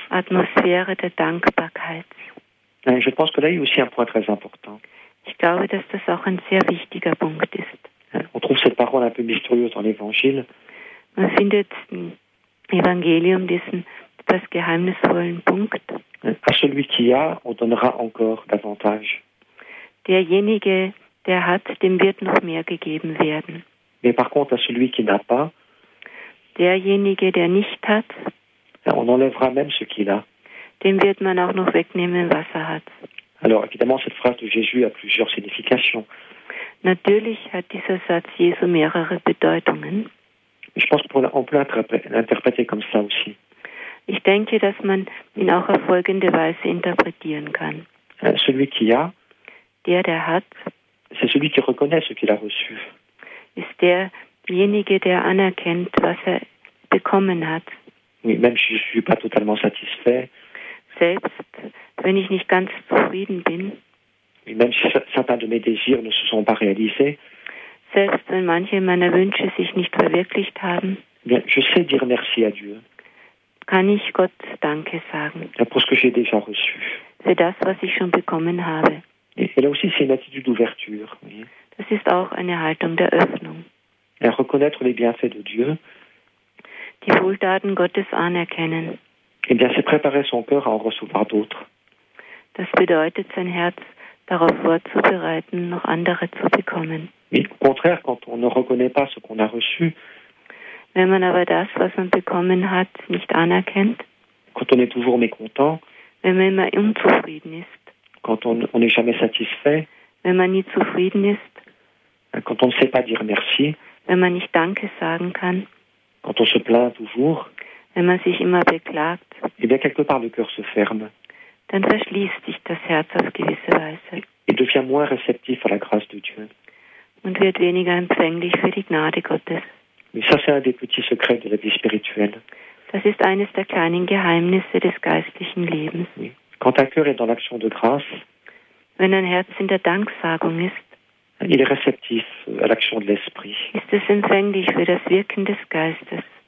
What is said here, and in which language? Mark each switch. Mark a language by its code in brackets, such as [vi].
[de] Atmosphäre der Dankbarkeit. [fr] Je pense que là, il y a aussi un point très important. [de] Ich glaube, dass das auch ein sehr wichtiger Punkt ist. [fr] On trouve cette parole un peu mystérieuse dans l'Évangile. [de] Man findet Evangelium diesen etwas geheimnisvollen Punkt. [fr] À celui qui a, on donnera encore davantage. [de] Derjenige, der hat, dem wird noch mehr gegeben werden. [fr] Mais par contre, à celui qui n'a pas, [de] derjenige, der nicht hat, [fr] on enlèvera même ce qu'il a. [de] Dem wird man auch noch wegnehmen, was hat. [fr] Alors, évidemment, cette phrase de Jésus a plusieurs significations. [de] Natürlich hat dieser Satz Jesu mehrere Bedeutungen. [fr] Je pense qu'on peut l'interpréter comme ça aussi. [de] Ich denke, dass man ihn auch auf folgende Weise interpretieren kann. [fr] Celui qui a, [de] der hat, [fr] c'est celui qui reconnaît ce qu'il a reçu. [de] Ist derjenige, der anerkennt, was bekommen hat. [fr] Oui, même si je ne suis pas totalement satisfait. [de] Selbst wenn ich nicht ganz zufrieden bin. [fr] Oui, même si certains de mes désirs ne se sont pas réalisés. [de] Selbst wenn manche meiner Wünsche sich nicht verwirklicht haben. [fr] Bien, je sais dire merci à Dieu. [de] Kann ich Gott Danke sagen. [fr] Ja, pour ce que j'ai déjà reçu. [de] Für das, was ich schon bekommen habe. [fr] Et là aussi, c'est une attitude d'ouverture. Oui. [de] Das ist auch eine Haltung der Öffnung. [fr] Ja, reconnaître les bienfaits de Dieu. [de] Die Wohltaten Gottes anerkennen. [fr] Eh bien, c'est préparer son cœur à en recevoir d'autres. [de] Das bedeutet, sein Herz darauf vorzubereiten, noch andere zu bekommen. [fr] Mais au contraire, quand on ne reconnaît pas ce qu'on a reçu, [de] wenn man aber das, was man bekommen hat, nicht anerkennt, [fr] quand on est toujours mécontent, [de] wenn man immer unzufrieden ist, [fr] quand on n'est jamais satisfait, [de] wenn man nie zufrieden ist, [fr] quand on ne sait pas dire merci, [de] wenn man nicht Danke sagen kann, [fr] quand on se plaint toujours, [de] wenn man sich immer beklagt, [fr] eh bien quelque part le cœur se ferme. [de] Dann verschließt sich das Herz auf gewisse Weise. [fr] Et devient moins réceptif à la grâce de Dieu. [de] Und wird weniger empfänglich für die Gnade Gottes. [fr] Mais ça, c'est un des petits secrets de la vie spirituelle. [de] Das ist eines der kleinen Geheimnisse des geistlichen Lebens. [fr] Oui. Quand un cœur est dans l'action de grâce, [de] wenn ein Herz in der Danksagung ist, [fr] il est réceptif à l'action de l'Esprit. [de] Ist es empfänglich für das Wirken des Geistes.